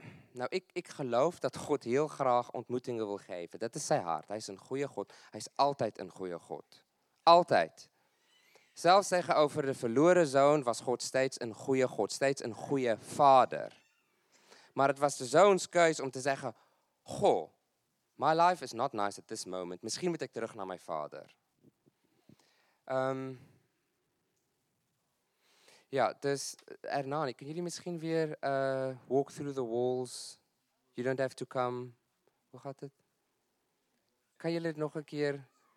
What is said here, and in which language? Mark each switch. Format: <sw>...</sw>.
<nl>Nou, ik geloof dat God heel graag ontmoetingen wil geven. Dat is zijn hart. Hij is een goede God. Hij is altijd een goede God. Altijd. Zelfs tegenover de verloren zoon was God steeds een goede God. Steeds een goede vader. Maar het was de zoons keus om te zeggen...</nl> <en>Goh, my life is not nice at this moment.</en> <nl>Misschien moet ik terug naar mijn vader. Ja, dus Hernani, kunnen jullie misschien weer</nl> <en>walk through the walls? You don't have to come.</en> <nl>Hoe gaat het? Kan jullie het nog een keer?</nl>